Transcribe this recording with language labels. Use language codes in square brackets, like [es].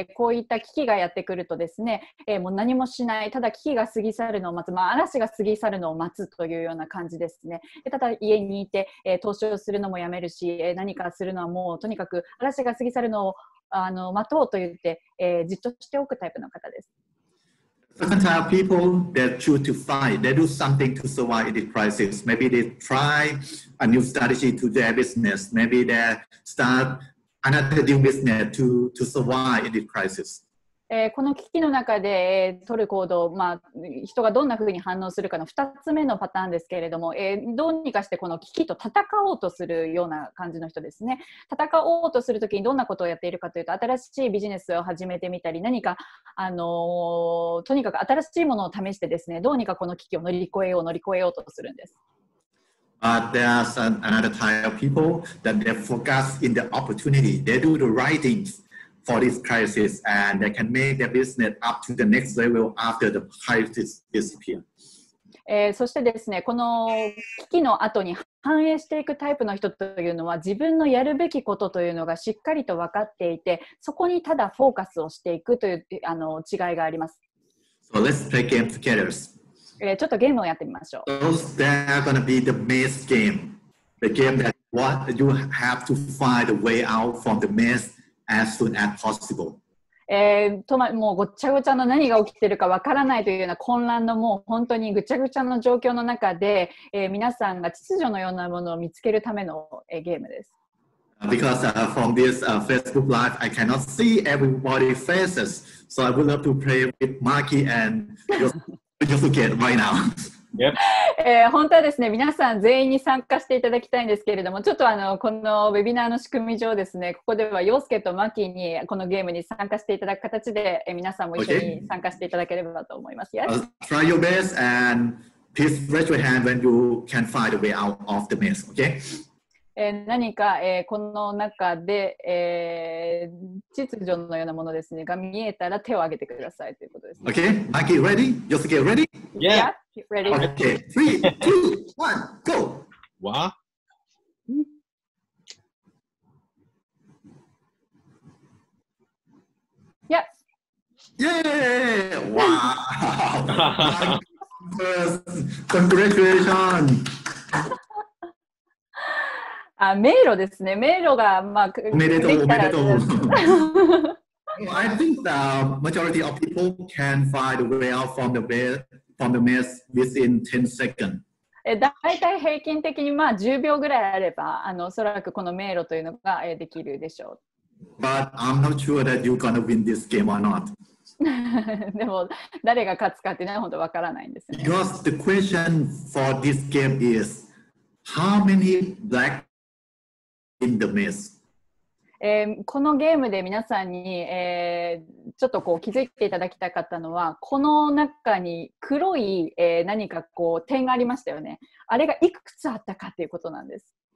[ja] こういった危機がやってくるとですね、もう何もしない、ただ危機が過ぎ去るのを待つ、まあ、嵐が過ぎ去るのを待つというような感じですね。ただ家にいて、投資をするのもやめるし、何かするのはもうとにかく嵐が過ぎ去るのを待とうと言って、じっとしておくタイプの方です。 [en] Second type of people, they choose to fight. They do something to survive in the crisis. Maybe they try a new strategy to their business. Maybe they startAnother new business to survive in this crisis. [ja] この危機の中で取る行動、まあ、人がどんなふうに反応するかの2つ目のパターンですけれども、どうにかしてこの危機と戦おうとするような感じの人ですね。戦おうとするときにどんなことをやっているかというと、新しいビジネスを始めてみたり、何か、とにかく新しいものを試してですね、どうにかこの危機を乗り越えようとするんです。 [en] But there's another type of people that they focus in the opportunity. They do the right things for this crisis and they can make their business up to the next level after the crisis disappears. [ja] そしてですね、この危機の後に反映していくタイプの人というのは自分のやるべきことというのがしっかりと分かっていて、そこにただフォーカスをしていくという違いがあります。 [en] So let's play game together. [ja] ちょっとゲームをやってみましょう。 [en] Those that are going to be the maze game. The game that what you have to find a way out from the maze as soon as possible. [ja] もうごちゃごちゃの何が起きているかわからないというような混乱のもう本当にぐちゃぐちゃの状況の中で、皆さんが秩序のようなものを見つけるための、ゲームです。 [en] Because from this Facebook Live, I cannot see everybody's faces, so I would love to play with Maki and Yosuke right now. Yep. [ja] 本当はですね、皆さん全員に参加していただきたいんですけれども、ちょっとこのウェビナーの仕組み上ですね、ここでは陽介とマキにこのゲームに参加していただく形で、皆さんも一緒に参加していただければと思います。 [en] Okay. Try your best and please raise your hand when you can find a way out of the maze, okay? [ja] 何か、この中で、秩序のようなものですねが見えたら手を挙げてくださいということです、ね。 [en] Okay, Maki, ready? Yosuke, ready? Yeah, yeah ready. Okay, three, two, one, go. わ。 Yes. Yeah. わ。 Congratulations. [ja] あ、迷路ですね。迷路が、まあ、おめでとう、おめでとう。 [en] I think the majority of people can find a way out from the maze within 10 seconds. [ja] だいたい平均的に、まあ、10秒ぐらいあれば、おそらくこの迷路というのが、できるでしょう。 [en] But I'm not sure that you're gonna win this game or not. [ja] でも、誰が勝つかっていうのは本当わからないんですね。 [en] Because the question for this game is, how many blackIn the maze. [ja] このゲームで皆さんに、ちょっとこう気づいていただきたかったのは、この中に黒い、何かこう点がありましたよね。あれがいくつあったかということなんです。